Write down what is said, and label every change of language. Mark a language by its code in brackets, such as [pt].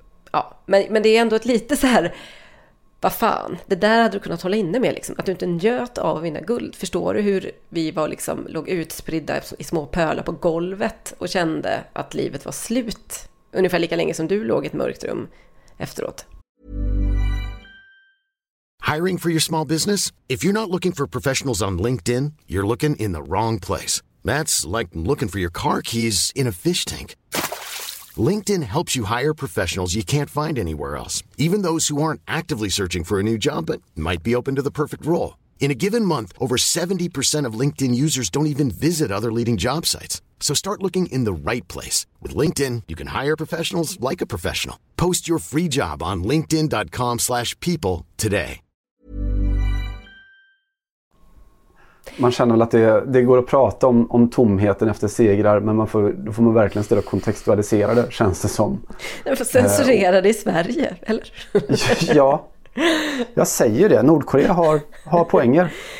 [sv] Ja, men det är ändå ett lite så här... Vad fan, det där hade du kunnat hålla inne med. Liksom. Att du inte njöt av att vinna guld. Förstår du hur vi var liksom, låg utspridda i små pölar på golvet och kände att livet var slut? Ungefär lika länge som du låg i ett mörkt rum efteråt. [en] Hiring for your small business? If you're not looking for professionals on LinkedIn, you're looking in the wrong place. That's like looking for your car keys in a fish tank. LinkedIn helps you hire professionals you can't find anywhere else, even those who aren't actively searching for a new job but might be open to the perfect role. In a given month, over 70% of LinkedIn users don't even visit other leading job sites. So start looking in the right place. With LinkedIn, you can hire professionals like a professional. Post your free job on linkedin.com/people today. [sv] Man känner väl att det går att prata om tomheten efter segrar, men då får man verkligen ställa och kontextualisera det, känns det som. Man får censurera det i Sverige, eller? Ja, jag säger det. Nordkorea har poänger.